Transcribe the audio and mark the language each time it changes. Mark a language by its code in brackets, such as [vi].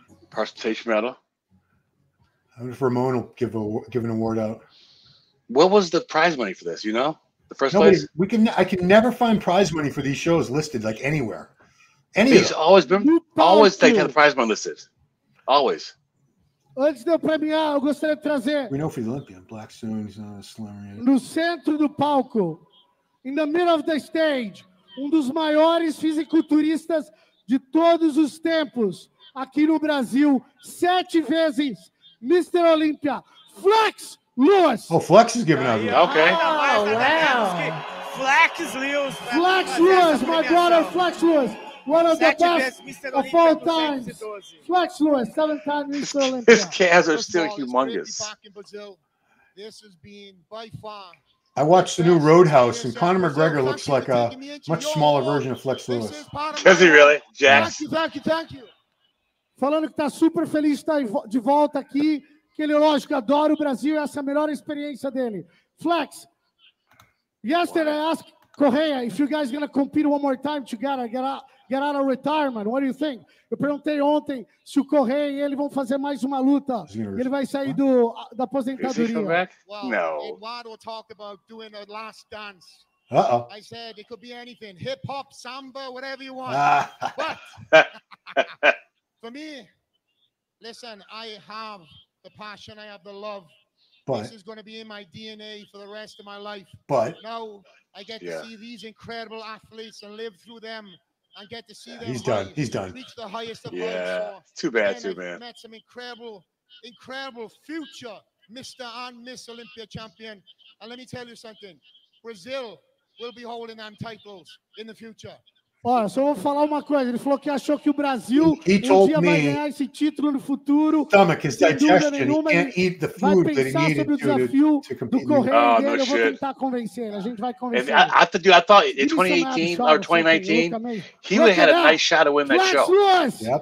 [en] Participation medal. I wonder if Ramon will give a give an award out. What was the prize money for this? You know, the first place. We can. I can never find prize money for these shows listed like anywhere. Any. He's always been always taking the prize money listed. Always. [pt] Antes de eu premiar, eu gostaria de trazer. [en] We know for the Olympian, Black Soon, he's not a slurring. [pt] No centro do palco, [en] in the middle of the stage, [pt] um dos maiores fisiculturistas de todos os tempos, aqui no Brasil, 7 vezes, Mr. Olympia, Flex Lewis. [en] Oh, Flex is giving out. Okay. Flex Lewis. Flex Lewis, my brother, Flex Lewis. One of the best of all times. Flex Lewis, 7-time Mr. Olympia. His calves are still humongous. This is being by far. I watched the new Roadhouse, and Conor McGregor looks like a much smaller version of Flex Lewis. Does he really? Jax. Thank you. [pt] Falando que está super feliz de estar de volta aqui, que ele, lógico, adora o Brasil, essa é a melhor experiência dele. [en] Flex, yesterday I asked Correa if you guys are going to compete one more time together, get out of retirement, what do you think? [pt] Eu perguntei ontem se o Correa e ele vão fazer mais uma luta. Ele vai sair do da aposentadoria. [en] Is he coming back? Well, no. Eduardo talked about doing a last dance. Uh-oh. I said it could be anything, hip-hop, samba, whatever you want. For me, listen, I have the passion, I have the love. But, this is going to be in my DNA for the rest of my life. But now I get to see these incredible athletes and live through them and get to see them. He's done. Reach the highest of heights. Too bad, man. Met some incredible future Mr. and Miss Olympia champion. And let me tell you something. Brazil will be holding them titles in the future. [pt] Olha, só vou falar uma coisa. Ele falou que achou que o Brasil um dia vai ganhar esse título no futuro. [en] Stomach, his digestion, he can't eat the food that he needed to compete. Oh, no shit. [pt] Vou tentar convencer. A gente vai convencer. [en] I thought in 2018 or 2019, he would have had a nice shot of winning that show.